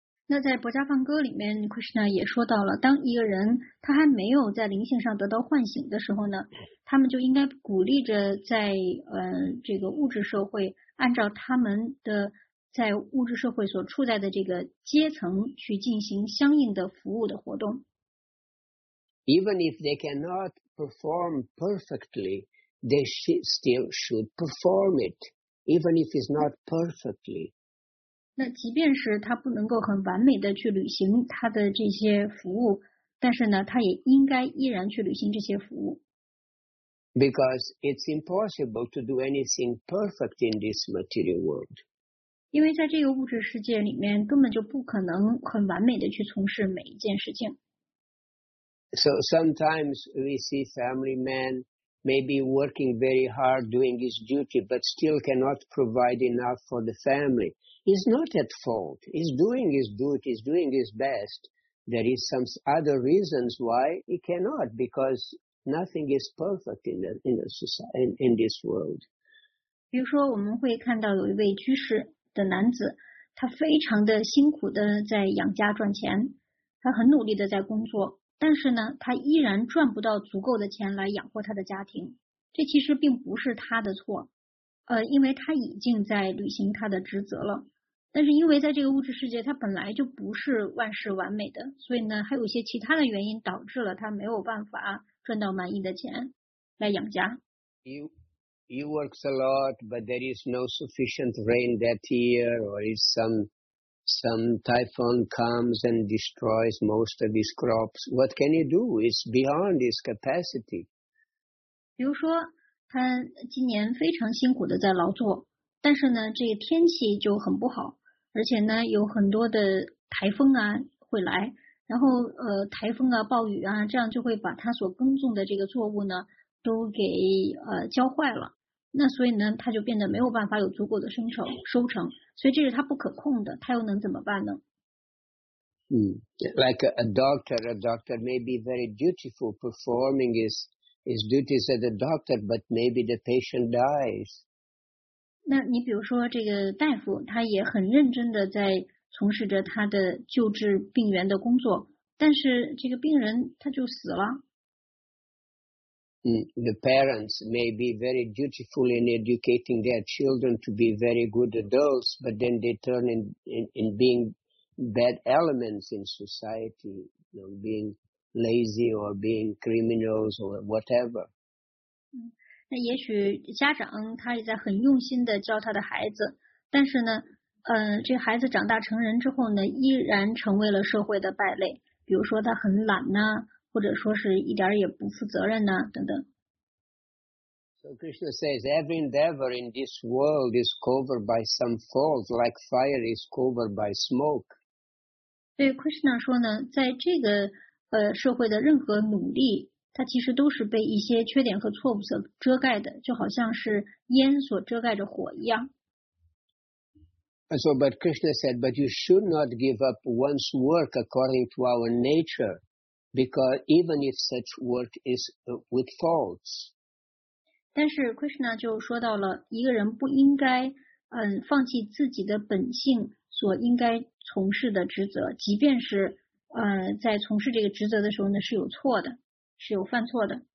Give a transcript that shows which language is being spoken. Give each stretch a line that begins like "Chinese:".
Chinese: 那在《薄伽梵歌》里面 ，Krishna 也说到了，当一个人他还没有在灵性上得到唤醒的时候呢，他们就应该鼓励着在这个物质社会按照他们的。在物质社会所处在的这个阶层去进行相应的服务的活动。
English: Even if they cannot perform perfectly, they still should perform it, even if it's not perfectly.
Chinese: 那即便是他不能够很完美的去履行他的这些服务，但是呢，他也应该依然去履行这些服务。
English: Because it's impossible to do anything perfect in this material world.
Chinese: 因为在这个物质世界里面，根本就不可能很完美的去从事每一件事情。
English: So sometimes we see family man maybe working very hard doing his duty, but still cannot provide enough for the family. He's not at fault. He's doing his duty. He's doing his best. There is some other reasons why he cannot, because nothing is perfect in the society in this world.
Chinese: 比如说，我们会看到有一位居士的男子，他非常的辛苦的在养家赚钱，他很努力的在工作。但是呢，他依然赚不到足够的钱来养活他的家庭，这其实并不是他的错，因为他已经在履行他的职责了。但是因为在这个物质世界，他本来就不是万事完美的，所以呢，还有一些其他的原因导致了他没有办法赚到满意的钱来养家。
English: You works a lot, but there is no sufficient rain that year, or is some typhoon comes and destroys most of his crops. What can he do? It's beyond his capacity.
Chinese: 比如说，他今年非常辛苦的在劳作，但是呢，这个天气就很不好，而且呢，有很多的台风啊会来，然后台风啊、暴雨啊，这样就会把他所耕种的这个作物呢都给浇坏了。那所以呢，他就变得没有办法有足够的收成。所以这是他不可控的，他又能怎么办呢？
English: Like a doctor may be very dutiful performing his duties as a doctor, but maybe the patient dies.
Chinese: 那你比如说这个大夫，他也很认真的在从事着他的救治病人的工作，但是这个病人他就死了。
English: The parents may be very dutiful in educating their children to be very good adults, but then they turn in being bad elements in society, you know, being lazy or being criminals or whatever.
Chinese: 那也许家长他也在很用心的教他的孩子，但是呢，这孩子长大成人之后呢，依然成为了社会的败类，比如说他很懒呢。或者说是一点也不负责任呢、啊、等等。
English: So Krishna says, every endeavor in this world is covered by some fault, like fire is covered by smoke.
Chinese: 对 Krishna 说呢，在这个社会的任何努力，它其实都是被一些缺点和错误所遮盖的，就好像是烟所遮盖着火一样。
English: So, but Krishna said, but you should not give up one's work according to our nature. Because even if such work is with faults.
Chinese: 但是 Krishna 就说到了一个人不应该放弃自己的本性所应该从事的职责，即便是在从事这个职责的时候呢是有错的，是有犯错的。